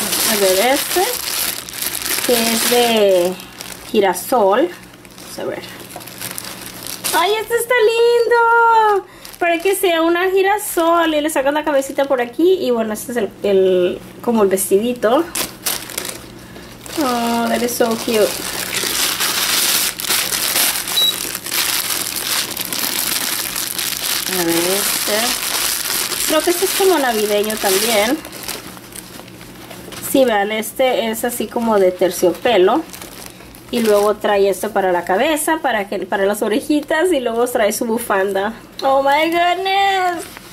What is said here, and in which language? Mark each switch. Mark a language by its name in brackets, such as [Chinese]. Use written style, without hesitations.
[Spanish] A ver este, que es de girasol. Vamos a ver. ¡Ay, este está lindo! Para que sea una girasol. Y le sacan la cabecita por aquí y bueno, este es el como el vestidito. [English] Oh, that is so cute. [Spanish] A ver este. Creo que este es como navideño también. Sí, vean, este es así como de terciopelo. Y luego trae esto para la cabeza, para las orejitas. Y luego trae su bufanda. [English] Oh my goodness.